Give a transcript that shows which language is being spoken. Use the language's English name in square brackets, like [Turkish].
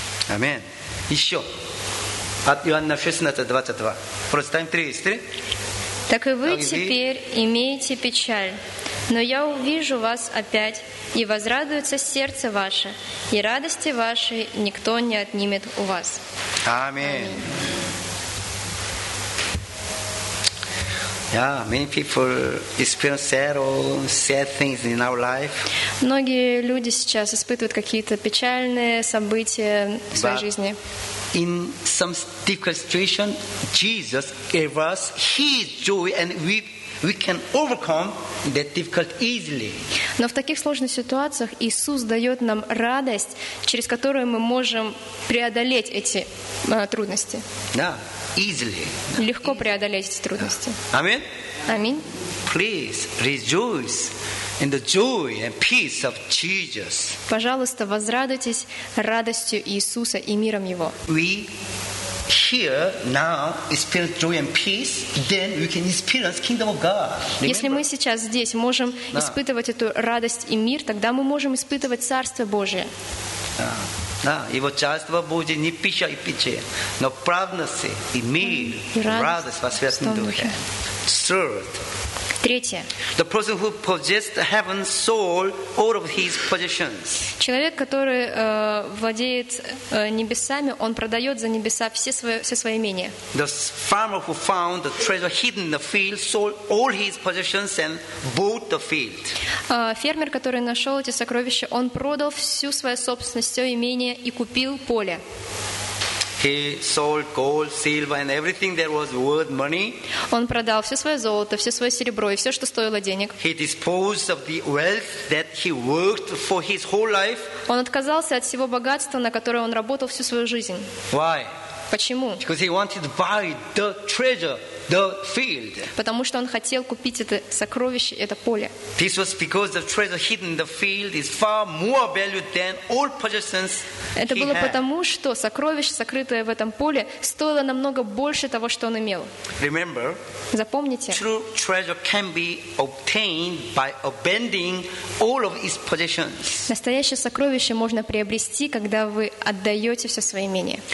[Russian] Аминь. Еще. От Иоанна 16:22. Прочитаем 3:3. Так и вы теперь имеете печаль, но я увижу вас опять, и возрадуется сердце ваше, и радости ваши никто не отнимет у вас. Аминь. [English] Yeah, many people experience sad things in our life. [Russian] Многие люди сейчас испытывают какие-то печальные события в своей жизни. [English] In some difficult situation, Jesus gave us His joy, and we can overcome that difficult easily. [Russian] Но в таких сложных ситуациях Иисус дает нам радость, через которую мы можем преодолеть эти трудности. [English] Да, easily. [Russian] Легко преодолеть эти трудности. [English] Amen. Amen. Please rejoice in the joy and peace of Jesus. [Russian] Пожалуйста, возрадуйтесь радостью Иисуса и миром Его. [English] We here now experience joy and peace, then we can experience kingdom of God. Remember? [Russian] Если мы сейчас здесь можем испытывать эту радость и мир, тогда мы можем испытывать Царство Божие. Да, Его Царство Божие не пища и питье, но праведность и мир, радость во Святом Духе. [English] Third. [Russian] Третье. [English] The person who possessed heaven sold all of his possessions. [Russian] Человек, который владеет небесами, он продает за небеса все свои имения. [English] The farmer who found the treasure hidden in the field sold all his possessions and bought the field. [Russian] Фермер, который нашел эти сокровища, он продал всю свою собственность, все имение и купил поле. [English] He sold gold, silver, and everything that was worth money. [Russian] Он продал все свое золото, все свое серебро и все, что стоило денег. [English] He disposed of the wealth that he worked for his whole life. [Russian] Он отказался от всего богатства, на которое он работал всю свою жизнь. [English] Why? [Russian] Почему? [English] Because he wanted to buy the treasure, the field. [Russian] Потому что он хотел купить это сокровище, это поле. [English] This was because the treasure hidden in the field is far more valued than all possessions he had. [Russian] Это было потому, что сокровище, сокрытое в этом поле, стоило намного больше того, что он имел. [English] Remember. [Russian] Запомните. [English] True treasure can be obtained by abandoning all of its possessions. [Russian] Настоящее сокровище можно приобрести, когда вы отдаете все свое имение.